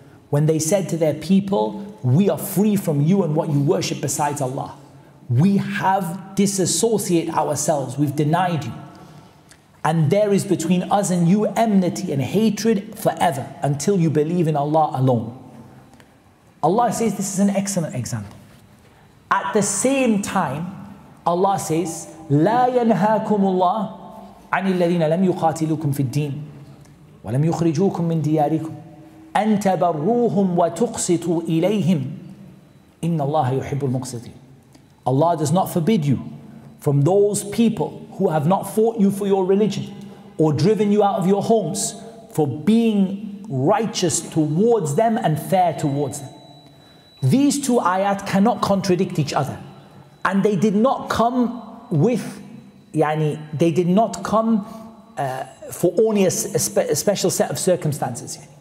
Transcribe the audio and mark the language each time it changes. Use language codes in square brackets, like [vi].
[en] When they said to their people, we are free from you and what you worship besides Allah. We have disassociated ourselves. We've denied you. And there is between us and you enmity and hatred forever until you believe in Allah alone. Allah says this is an excellent example. At the same time, Allah says, [ar] لَا يَنْهَاكُمُ اللَّهُ عَنِ الَّذِينَ لَمْ يُقَاتِلُوكُمْ فِي الدِّينِ وَلَمْ يُخْرِجُوكُمْ مِنْ دِيَارِكُمْ أَنْ تَبَرُّوهُمْ وَتُقْسِطُوا إِلَيْهِمْ إِنَّ اللَّهَ يُحِبُّ الْمُقْسِطِينَ. [en] Allah does not forbid you from those people who have not fought you for your religion or driven you out of your homes for being righteous towards them and fair towards them. These two ayat cannot contradict each other. And they did not come with, yani, they did not come for only a special set of circumstances.